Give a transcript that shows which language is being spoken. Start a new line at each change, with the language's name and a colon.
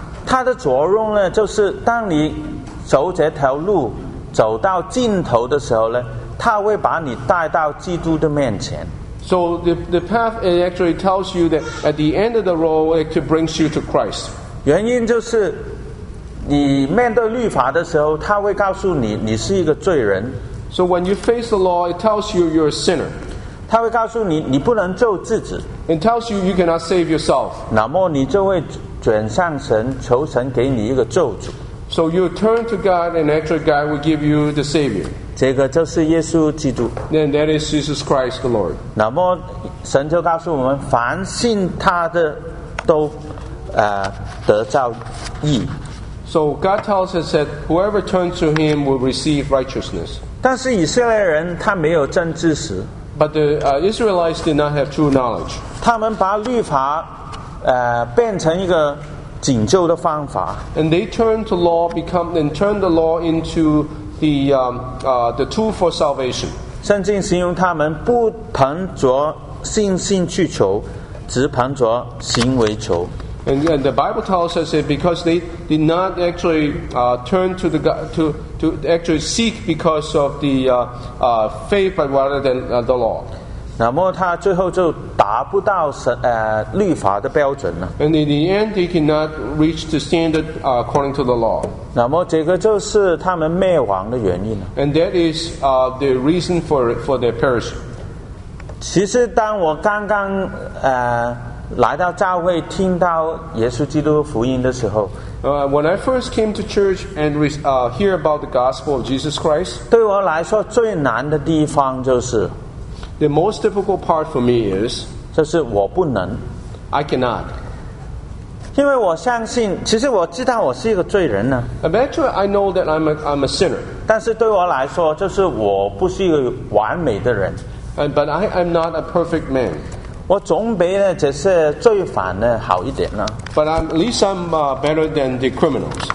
Chinese: 它的作用呢，就是当你走这条路走到尽头的时候呢。他会把你带到基督的面前。
English: So the path it actually tells you that at the end of the road it brings you to Christ.
Chinese: 原因就是你面对律法的时候，他会告诉你你是一个罪人。
English: So when you face the law, it tells you you're a sinner.
Chinese: 他会告诉你你不能救自己。
English: It tells you you cannot save yourself.
Chinese: 那么你就会转向神，求神给你一个救主。
English: So you turn to God and actually God will give you the Savior.
Chinese: 这个就是耶稣基督。
English: Then that is Jesus Christ the Lord.
Chinese: 那么神就告诉我们凡信他的都得着义。
English: So God tells us that whoever turns to him will receive righteousness.
Chinese: 但是以色列人他没有真知识。
English: But the Israelites did not have true knowledge.
Chinese: 他们把律法变成一个拯救的方法。
English: And they turn to law become and turn the law into the tool for salvation.
Chinese: 圣经形容他们不凭着信心去求，只凭着行为求。
English: And the Bible tells us that because they did not actually turn to the God, to actually seek because of the faith, but rather than the law.
Chinese: 那么他最后就达不到律法的标准了。
English: And in the end, they cannot reach the standard according to the law.
Chinese: 那么这个就是他们灭亡的原因了。
English: And that is the reason for their perishing.
Chinese: 其实当我刚刚来到教会听到耶稣基督福音的时候
English: When I first came to church and hear about the gospel of Jesus Christ,
Chinese: 对我来说最难的地方就是
English: The most difficult part for me is
Chinese: 就是我不能
English: I cannot.
Chinese: 因为我相信其实我知道我是一个罪人呢
English: Eventually, I know that I'm a sinner.
Chinese: 但是对我来说就是我不是一个完美的人
English: But I'm not a perfect man.
Chinese: 我总比呢这些罪犯呢好一点呢。
English: But at least I'm better than the criminals.